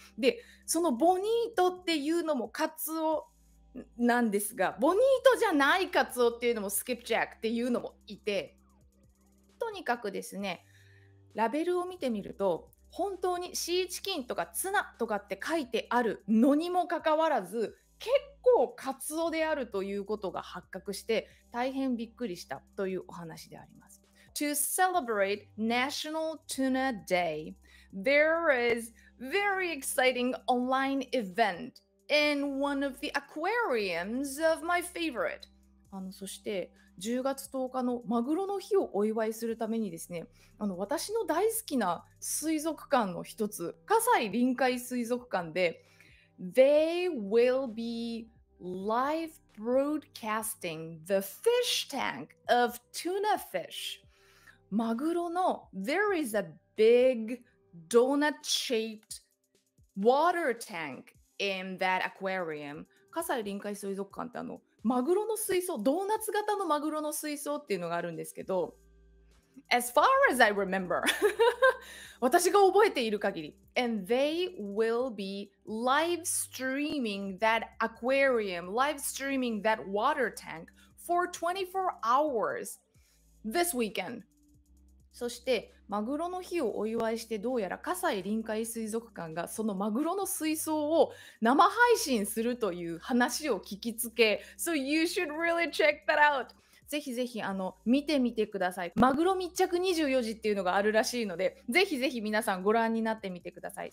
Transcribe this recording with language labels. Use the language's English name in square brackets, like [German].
[Japanese] で、そのbonitoっていうのもカツオなんですが、bonitoじゃないカツオっていうのもskipjackっていうのもいて、とにかくですね、ラベルを見てみると、本当にシーチキンとかツナとかって書いてあるのにもかかわらず、結構カツオであるということが発覚して大変びっくりしたというお話であります。 [English] To celebrate National Tuna Day, there is very exciting online event in one of the aquariums of my favorite. [Japanese] そして10月10日のマグロの日をお祝いするためにですね、私の大好きな水族館の一つ、葛西臨海水族館で、 [English] They will be live broadcasting the fish tank of tuna fish. [Japanese] マグロの、 [English] There is a big donut-shaped water tank in that aquarium. [Japanese] 葛西臨海水族館ってマグロの水槽、ドーナツ型のマグロの水槽っていうのがあるんですけど、 [English] As far as I remember, [Japanese] 私が覚えている限り、 [English] And they will be live streaming that aquarium, live streaming that water tank for 24 hours this weekend. [Japanese] そして、マグロの日をお祝いして、どうやら葛西臨海水族館がそのマグロの水槽を生配信するという話を聞きつけ、 [English] So you should really check that out! [Japanese] ぜひぜひ見てみてください。マグロ密着24時っていうのがあるらしいので、ぜひぜひ皆さんご覧になってみてください。